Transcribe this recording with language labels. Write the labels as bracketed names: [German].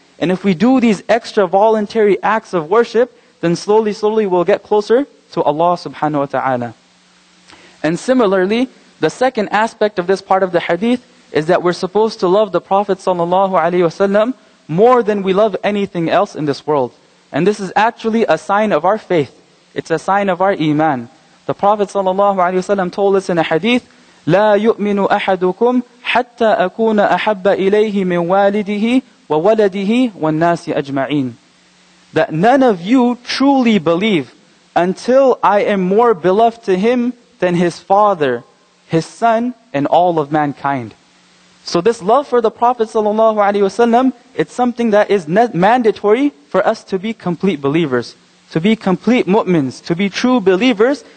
[English] And if we do these extra voluntary acts of worship, then slowly, slowly we'll get closer to Allah subhanahu wa ta'ala. And similarly, the second aspect of this part of the hadith is that we're supposed to love the Prophet sallallahu alayhi wa sallam more than we love anything else in this world. And this is actually a sign of our faith. It's a sign of our iman. The Prophet sallallahu alayhi wa sallam told us in a hadith, [Arabic] لَا يُؤْمِنُ أَحَدُكُمْ حَتَّى أَكُونَ أَحَبَّ إِلَيْهِ مِنْ وَالِدِهِ وَوَلَدِهِ وَالنَّاسِ أَجْمَعِينَ. [English] That none of you truly believe until I am more beloved to him than his father, his son, and all of mankind. So this love for the Prophet sallallahu alaihi wasallam, it's something that is mandatory for us to be complete believers, to be complete mu'mins, to be true believers.